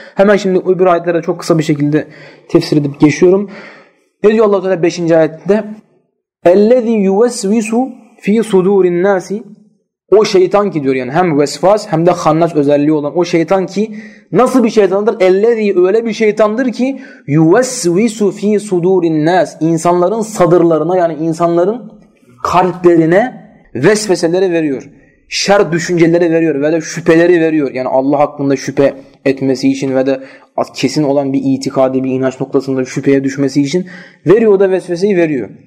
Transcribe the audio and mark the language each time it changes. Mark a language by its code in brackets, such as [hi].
[tr] Hemen şimdi öbür ayetlere çok kısa bir şekilde tefsir edip geçiyorum. Ne diyor Allah-u Teala 5. ayette? [ar] اَلَّذِي يُوَسْوِسُ ف۪ي صُدُورِ النَّاسِ. [tr] O şeytan ki diyor, yani hem vesvas hem de hannes özelliği olan o şeytan ki, nasıl bir şeytandır? [ar] اَلَّذِي [tr] öyle bir şeytandır ki [ar] يُوَسْوِسُ ف۪ي صُدُورِ النَّاسِ. [tr] İnsanların sadırlarına, yani insanların kalplerine vesveseleri veriyor. Şer düşünceleri veriyor ve de şüpheleri veriyor. Yani Allah hakkında şüphe etmesi için ve de kesin olan bir itikadi, bir inanç noktasında şüpheye düşmesi için veriyor da vesveseyi veriyor.